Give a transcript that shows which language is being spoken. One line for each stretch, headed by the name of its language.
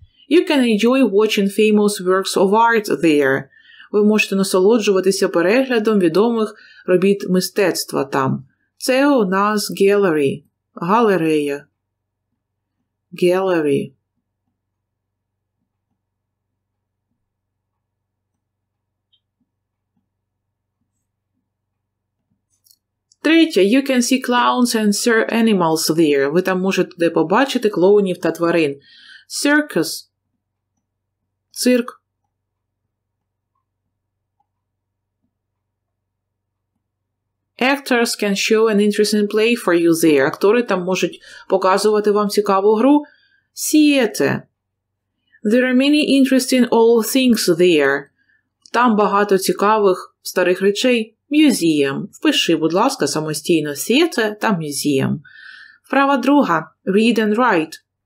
English: You can enjoy watching famous works of art there.
Ukrainian: Ви можете насолоджуватися переглядом відомих робіт мистецтва там. Це у нас gallery. Галерея. Gallery.
English: Третє, you can see clowns and circus animals there.
Ukrainian: Ви там можете побачити клоунів та тварин.
English: Circus. Цирк. Actors can show an interesting play for you there.
Ukrainian: Актори там можуть показувати вам цікаву гру.
English: Сієте. There are many interesting old things there.
Ukrainian: Там багато цікавих старих речей.
English: Museum.
Ukrainian: Впиши, будь ласка, самостійно. Сієте та museum. Вправа друга.
English: Read and write.